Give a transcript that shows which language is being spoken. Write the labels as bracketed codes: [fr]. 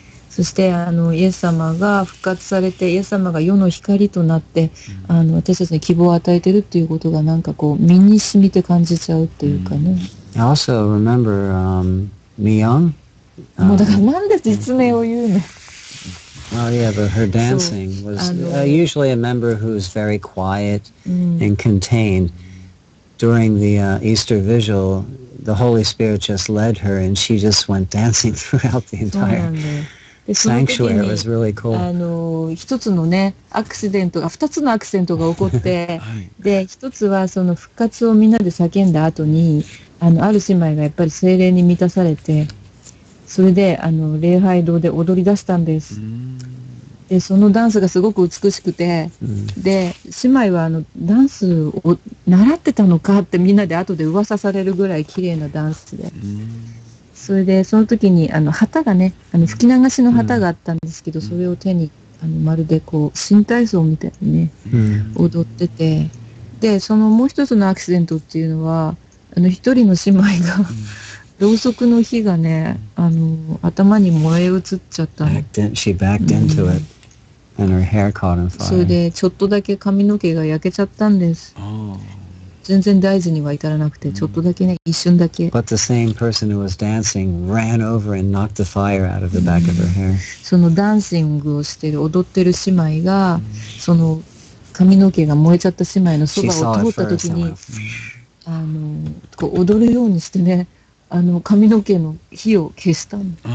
[ja] そして、あのイエス様が復活されて、イエス様が世の光となって、あの私たちに希望を与えてるっていうことが、なんかこう身に染みて感じちゃうっていうかね。 [en] I also remember ミヨン、 [ja] もうだからなんで実名を言うの。 [en] Well, yeah, but her dancing was usually a member who's very quiet and contained. During the Easter Vigil, the Holy Spirit just led her, and she just went dancing throughout the entire sanctuary. It was really cool. [ja] あの、一つのね、アクシデントが、二つのアクシデントが起こって、で、一つはその復活をみんなで叫んだ後に、あの、ある姉妹がやっぱり聖霊に満たされて、それで、あの、礼拝堂で踊り出したんです。で、そのダンスがすごく美しくて、で、姉妹は、あの、ダンスを習ってたのかってみんなで後で噂されるぐらい綺麗なダンスで。それで、その時に、あの、旗がね、あの、吹き流しの旗があったんですけど、それを手に、あの、まるでこう、新体操みたいにね、踊ってて。で、そのもう一つのアクシデントっていうのは、あの、一人の姉妹が、ろうそくの火がね、あの、頭に燃え移っちゃったの。 [en] She backed into it, and her hair caught on fire. [ja] それで、ちょっとだけ髪の毛が焼けちゃったんです。全然大事には至らなくて、ちょっとだけね、一瞬だけ。 [en] But the same person who was dancing ran over and knocked the fire out of the back of her hair. [ja] そのダンシングをしてる、踊ってる姉妹が、その髪の毛が燃えちゃった姉妹のそばを通った時に、あの、こう踊るようにしてね、あの髪の毛の火を消したの。